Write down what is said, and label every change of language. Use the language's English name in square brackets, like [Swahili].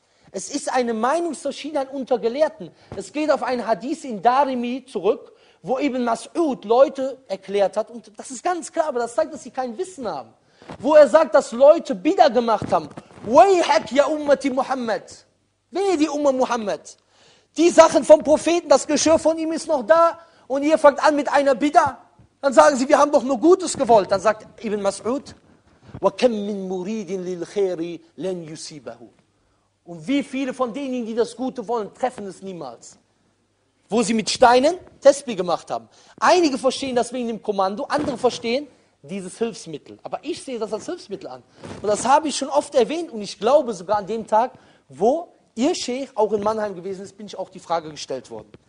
[German] Es ist eine Meinungsverschiedenheit unter Gelehrten. Es geht auf einen Hadith in Darimi zurück, wo Ibn Mas'ud Leute erklärt hat, und das ist ganz klar, aber das zeigt, dass sie kein Wissen haben. Wo er sagt, dass Leute Bidah gemacht haben. [Arabic] Wayhak ya ummati Muhammad. [German] Wehe die Umma Muhammad. Die Sachen vom Propheten, das Geschirr von ihm ist noch da. Und ihr fangt an mit einer Bidda, dann sagen sie, wir haben doch nur Gutes gewollt. Dann sagt Ibn Mas'ud, [Arabic] وَكَمْ مِنْ مُرِيدٍ لِلْخَيْرِ لَنْ يُسِيبَهُ. [German] Und wie viele von denen, die das Gute wollen, treffen es niemals. Wo sie mit Steinen Tesbih gemacht haben. Einige verstehen das wegen dem Kommando, andere verstehen dieses Hilfsmittel. Aber ich sehe das als Hilfsmittel an. Und das habe ich schon oft erwähnt und ich glaube sogar an dem Tag, wo ihr Scheich auch in Mannheim gewesen ist, bin ich auch die Frage gestellt worden.